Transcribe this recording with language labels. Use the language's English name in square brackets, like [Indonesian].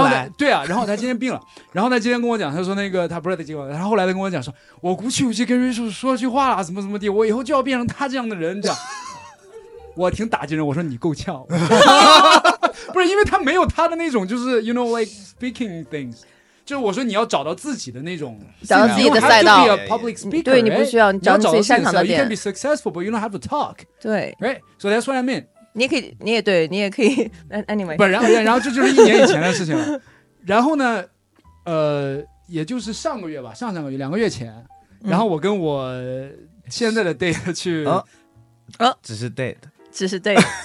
[Chinese] 然后对啊，然后他今天病了，然后他今天跟我讲，他说那个他不是在机构，他后来他跟我讲说，我鼓起勇气跟瑞叔说句话了，怎么怎么地，我以后就要变成他这样的人，这样，我挺打击人，我说你够呛，不是因为他没有他的那种，就是 [English] you know like speaking things。 [Chinese] 就是我说你要找到自己的那种，找到自己的赛道。 [English] Be a public speaker, [Chinese] 对，你不需要，你找你自己擅长的点。 [English] You can be successful, but you don't have to talk. [Chinese] 对 [English] ，right? So that's what I mean. [Chinese] 你可以，你也对，你也可以。 [English] Anyway, [Chinese] 不，然后这就是一年以前的事情了。然后呢，也就是上个月吧，上个月两个月前，然后我跟我现在的 date 去，只是 date，只是 date。